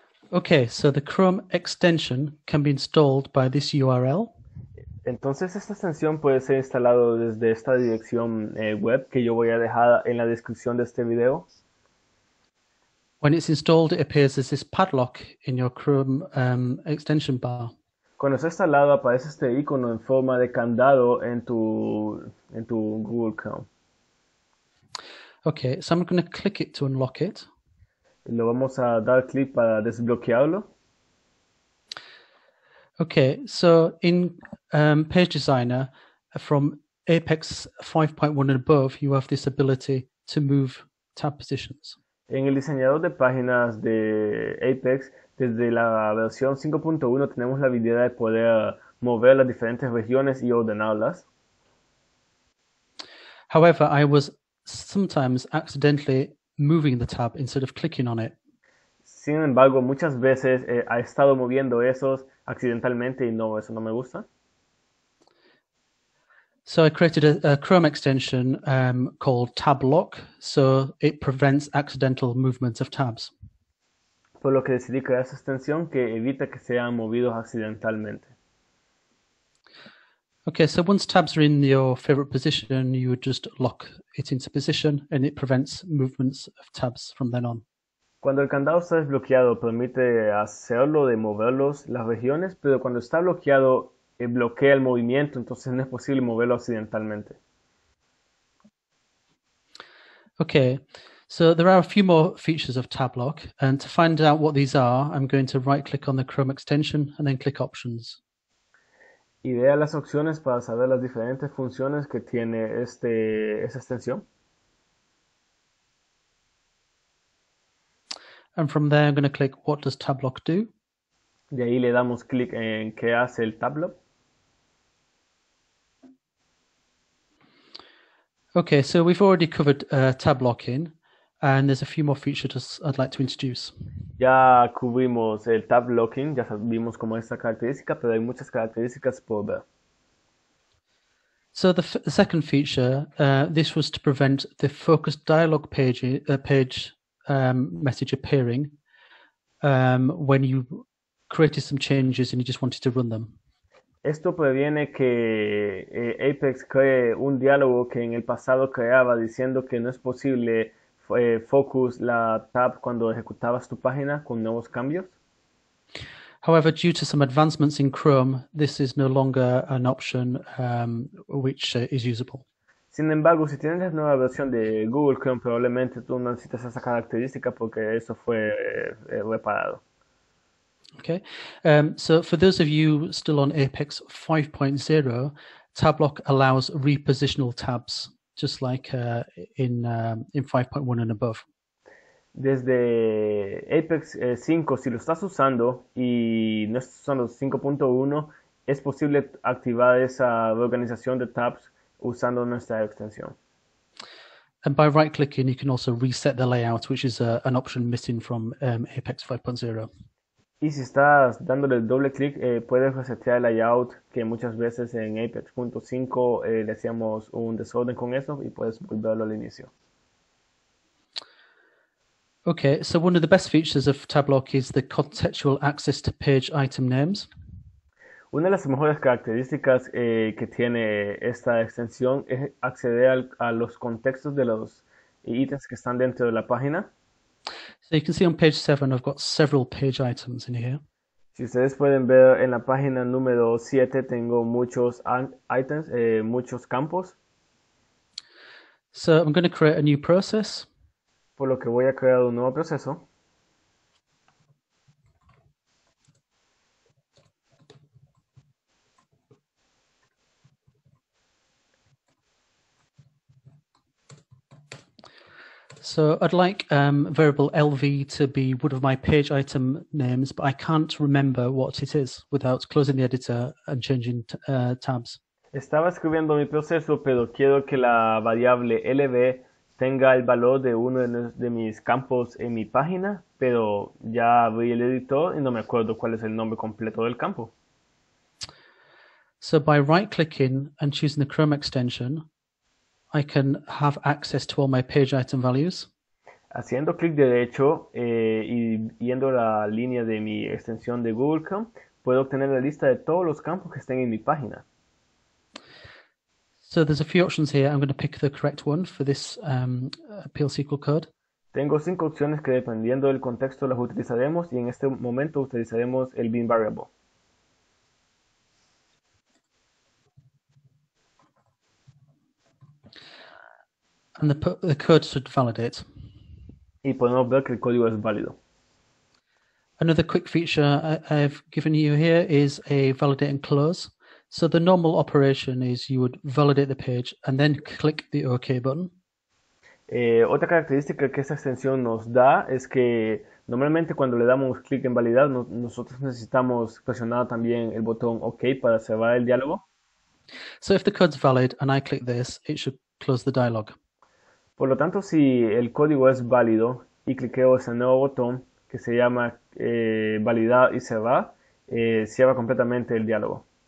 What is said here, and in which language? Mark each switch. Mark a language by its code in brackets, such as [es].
[en] Okay, so the Chrome Extension can be installed by this URL. [es] Entonces, esta extensión puede ser instalado desde esta dirección web que yo voy a dejar en la descripción de este video. [en] When it's installed, it appears as this padlock in your Chrome extension bar. [es] Cuando está instalado, aparece este icono en forma de candado en tu Google Chrome. [en] Okay, so I'm going to click it to unlock [es] Lo vamos a dar clic para desbloquearlo. [en] Okay, so in Page Designer from Apex 5.1 and above, you have this ability to move tab positions. [es] En el diseñador de páginas de Apex, desde la versión 5.1 tenemos la habilidad de poder mover las diferentes regiones y ordenarlas. [en] However, I was sometimes accidentally moving the tab instead of clicking on it. [es] Sin embargo, muchas veces ha estado moviendo esos accidentalmente y no, eso no me gusta. [en] So I created a Chrome extension called Tab Lock, so it prevents accidental movements of tabs. [es] Por lo que decidí crear esa extensión que evita que sean movidos accidentalmente. [en] Okay, so once tabs are in your favorite position, you would just lock it into position and it prevents movements of tabs from then on. [es] Cuando el candado está desbloqueado, permite hacerlo de moverlos las regiones, pero cuando está bloqueado, bloquea el movimiento, entonces no es posible moverlo accidentalmente. [en] Okay, so there are a few more features of tab lock, and to find out what these are, I'm going to right click on the Chrome extension and then click options. [es] Y vea las opciones para saber las diferentes funciones que tiene esa extensión. [en] And from there, I'm going to click What does tab lock do? [es] De ahí le damos clic en qué hace el tablo. [en] Okay, so we've already covered tab locking, and there's a few more features I'd like to introduce. [es] Ya cubrimos el tab locking, ya vimos cómo es esta característica, pero hay muchas características por ver. [en] So the second feature, this was to prevent the focused dialog message appearing when you created some changes and you just wanted to run them. [es] Esto previene que Apex cree un diálogo que en el pasado creaba diciendo que no es posible focus la tab cuando ejecutabas tu página con nuevos cambios. [en] However, due to some advancements in Chrome, this is no longer an option which is usable. [es] Sin embargo, si tienes la nueva versión de Google Chrome, probablemente tú no necesitas esa característica porque eso fue reparado. [en] Okay, so for those of you still on Apex 5.0, tab lock allows repositional tabs, just like in 5.1 and above. [es] Desde Apex 5, si lo estás usando y no estás usando 5.1, es posible activar esa reorganización de tabs usando nuestra extensión. [en] And by right clicking, you can also reset the layout, which is an option missing from Apex 5.0. [es] Y si estás dándole doble clic, puedes resetear el layout, que muchas veces en Apex 5.5 le hacíamos un desorden con eso y puedes volverlo al inicio. [en] Okay, so one of the best features of Tablock is the contextual access to page item names. [es] Una de las mejores características que tiene esta extensión es acceder a los contextos de los ítems que están dentro de la página. [en] So you can see on page 7, I've got several page items in here. [es] Si ustedes pueden ver en la página número 7, tengo muchos items, muchos campos. [en] So I'm going to create a new process. [es] Por lo que voy a crear un nuevo proceso. [en] So I'd like variable LV to be one of my page item names, but I can't remember what it is without closing the editor and changing tabs. [es] Estaba escribiendo mi proceso, pero quiero que la variable LV tenga el valor de uno de mis campos en mi página, pero ya abrí el editor y no me acuerdo cuál es el nombre completo del campo. [en] So by right-clicking and choosing the Chrome extension, I can have access to all my page item values. [es] Haciendo clic derecho y viendo la línea de mi extensión de Google Chrome, puedo obtener la lista de todos los campos que estén en mi página. [en] So there's a few options here. I'm going to pick the correct one for this appeal SQL code. [es] Tengo cinco opciones que dependiendo del contexto las utilizaremos y en este momento utilizaremos el bin variable. [en] And the code should validate. [es] Y podemos ver que el código es válido. [en] Another quick feature I've given you here is a validate and close. So the normal operation is you would validate the page and then click the OK button. [es] Otra característica que esta extensión nos da es que normalmente cuando le damos clic en validar, nosotros necesitamos presionar también el botón OK para cerrar el diálogo. [en] So if the code's valid and I click this, it should close the dialogue. [es] Por lo tanto, si el código es válido y cliqueo ese nuevo botón que se llama validar y cerrar, cierra completamente el diálogo.